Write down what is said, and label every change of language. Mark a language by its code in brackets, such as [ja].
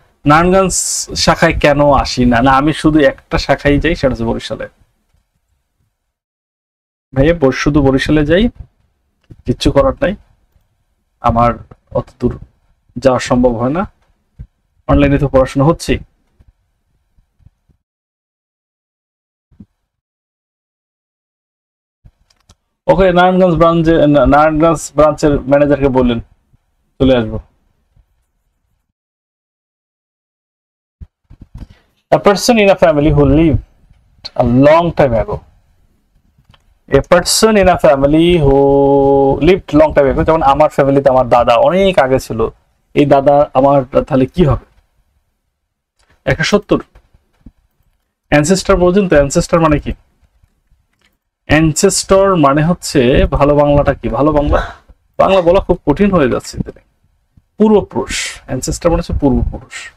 [bn] নারায়ণগঞ্জ শাখায় কেন আসি না, না আমি শুধু একটা শাখায় যাই, সেটা হচ্ছে বরিশালে ভাইয়া, শুধু বরিশালে যাই, কিচ্ছু করার নাই, আমার অত দূর যাওয়া সম্ভব হয় না, অনলাইনে তো পড়াশোনা হচ্ছে। ওকে, নারায়ণগঞ্জ ব্রাঞ্চে, নারায়ণগঞ্জ ব্রাঞ্চের ম্যানেজারকে বললেন চলে আসবো। [en] A person in a family who lived a long time ago. A person in a family who lived long time ago. [bn] যেমন আমার ফ্যামিলিতে আমার দাদা অনেক আগে ছিল, এই দাদা আমার, তাহলে কি হবে? 170 অ্যানসেস্টার বলছেন তো, অ্যানসেস্টার মানে কি? অ্যানসেস্টার মানে হচ্ছে ভালো বাংলাটা কি, ভালো বাংলা, বাংলা বলা খুব কঠিন হয়ে যাচ্ছে, পূর্বপুরুষ, অ্যানসেস্টার মানে হচ্ছে পূর্বপুরুষ।